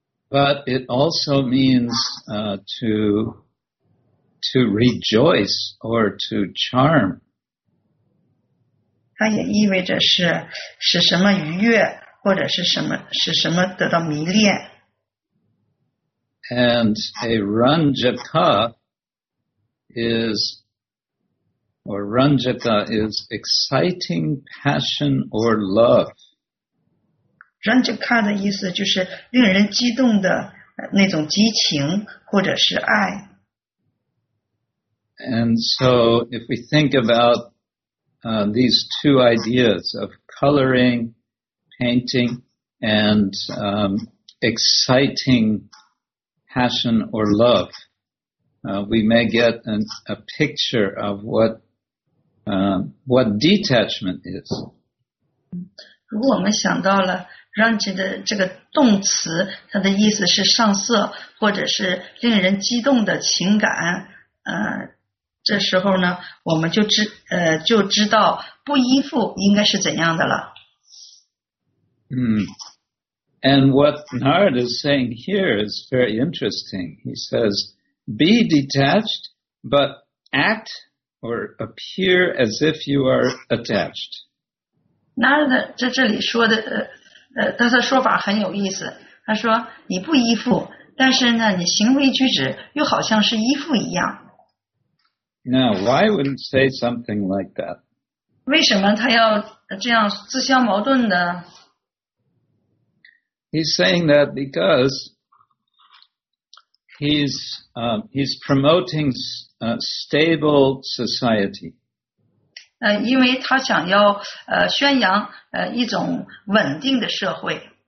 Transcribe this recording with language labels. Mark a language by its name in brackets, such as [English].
[English] But it also means to rejoice or to charm. [Chinese] 它也意味着是使什么愉悦，或者是什么使什么得到迷恋。 [English] And a runjaka is, or runjaka is exciting passion or love. [Chinese] runjaka 的意思就是令人激动的那种激情，或者是爱。 [English] And so, if we think about these two ideas of coloring, painting, and exciting passion or love, we may get a picture of what detachment is. [Chinese] 如果我们想到了 range 的这个动词，它的意思是上色，或者是令人激动的情感，这时候呢，我们就知道不依附应该是怎样的了。 [English] And what Narada is saying here is very interesting. He says, be detached, but act or appear as if you are attached. [Chinese] Narada 这里说的说法很有意思。他说你不依附，但是呢，你行为举止又好像是依附一样。 [English] Now, why would it say something like that? [Chinese] 为什么他要这样自相矛盾呢？ [English] He's saying that because he's promoting a stable society. [Chinese] 因为他想要宣扬一种稳定的社会。